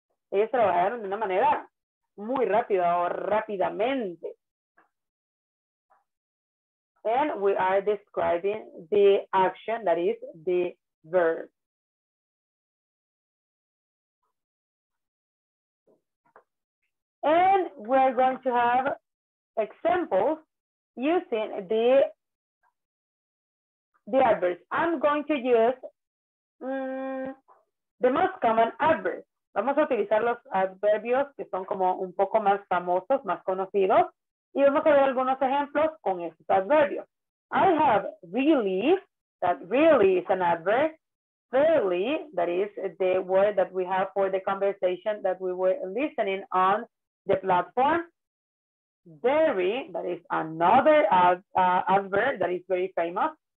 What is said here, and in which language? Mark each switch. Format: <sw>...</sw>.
<es>Ellos trabajaron de una manera muy rápida o rápidamente.</es> <en>And we are describing the action, that is the verb. And we are going to have examples using the adverbs. I'm going to use the most common adverbs.</en> <es>Vamos a utilizar los adverbios que son como un poco más famosos, más conocidos, y vamos a ver algunos ejemplos con estos adverbios.</es> <en>I have really, that really is an adverb. Fairly, that is the word that we have for the conversation that we were listening on the platform. Very, that is another adverb that is very famous.</en>